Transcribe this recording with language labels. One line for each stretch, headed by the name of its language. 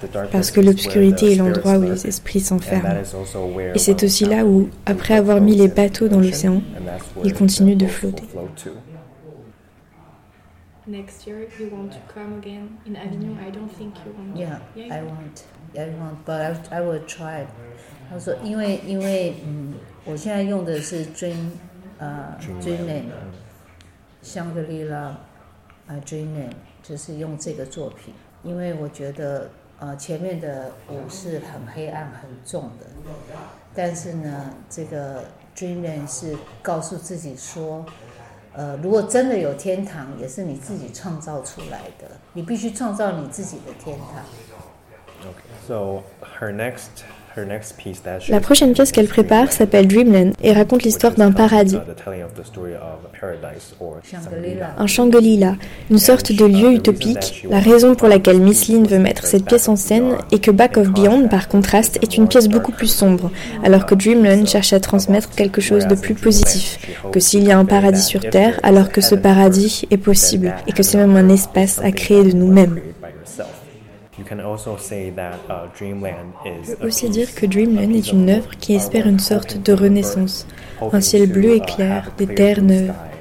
French: Parce que l'obscurité est l'endroit où les esprits s'enferment. Et c'est aussi là où, après avoir mis les bateaux dans l'océan, il continue de flotter.
English: Next year, you want to come again in Avignon? I don't think you want. Yeah, I want, but I will try.
Chinese: 他说，因为我现在用的是Dream Name， 香格里拉啊 Dream Name， 就是用这个作品，因为我觉得前面的舞是很黑暗很重的，但是呢，这个 Dream Name 是告诉自己说。如果真的有天堂，也是你自己创造出来的。你必须创造你自己的天堂。
English: Okay. So her next piece that
French: la prochaine pièce qu'elle prépare s'appelle Dreamland et raconte l'histoire d'un paradis.
English: The telling of the story of paradise or Shangri-La.
French: Un Shangri-La, une sorte de lieu utopique. La raison pour laquelle Miss Lin veut mettre cette pièce en scène est que Back of Beyond, par contraste, est une pièce beaucoup plus sombre, alors que Dreamland cherche à transmettre quelque chose de plus positif, que s'il y a un paradis sur Terre, alors que ce paradis est possible et que c'est même un espace à créer de nous-mêmes.
English: You can also say that Dreamland is.
French: Je peux aussi dire que Dreamland est une œuvre qui espère une sorte de renaissance, un ciel bleu et clair, des terres neuves.